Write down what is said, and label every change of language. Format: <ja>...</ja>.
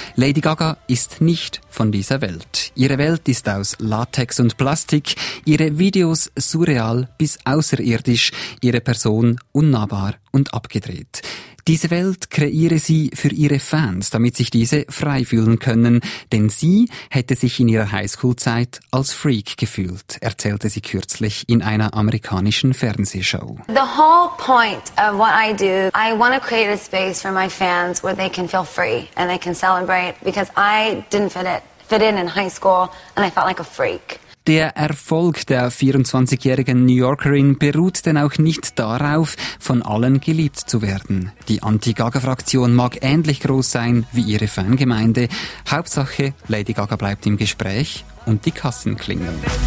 <de>Lady Gaga ist nicht von dieser Welt. Ihre Welt ist aus Latex und Plastik, ihre Videos surreal bis außerirdisch, ihre Person unnahbar und abgedreht. Diese Welt kreiere sie für ihre Fans, damit sich diese frei fühlen können, denn sie hätte sich in ihrer Highschool-Zeit als Freak gefühlt, erzählte sie kürzlich in einer amerikanischen Fernsehshow.</de> <en>The whole point of what I do, I want to create a space for my fans where they can feel free and they can celebrate, because I didn't fit in in high school and I felt like a freak.</en> <de>Der Erfolg der 24-jährigen New Yorkerin beruht denn auch nicht darauf, von allen geliebt zu werden. Die Anti-Gaga-Fraktion mag ähnlich groß sein wie ihre Fangemeinde. Hauptsache, Lady Gaga bleibt im Gespräch und die Kassen klingeln.</de>